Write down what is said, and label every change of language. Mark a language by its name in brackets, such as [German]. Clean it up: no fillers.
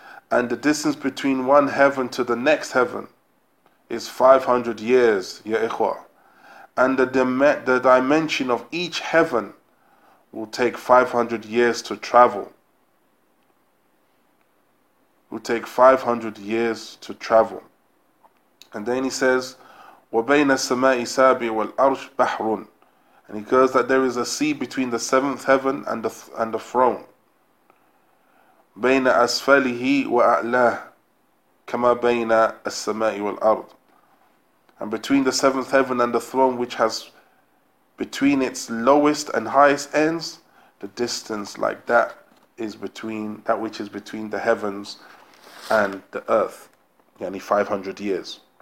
[English] And the distance between one heaven to the next heaven is 500 years, ya ikhwa. And the dimension of each heaven will take 500 years to travel. Will take 500 years to travel. And then he says, [Arabic] وَبَيْنَ السَّمَاءِ سَابِعٍ وَالْأَرْشِ بَحْرٌ. [English] And he goes that there is a sea between the seventh heaven and the throne. [Arabic] بَيْنَ أَسْفَلِهِ وَأَعْلَاهِ كَمَا بَيْنَ السَّمَاءِ وَالْأَرْضِ. [English] And between the seventh heaven and the throne, which has between its lowest and highest ends, the distance like that is between that which is between the heavens and the earth, yani 500 years.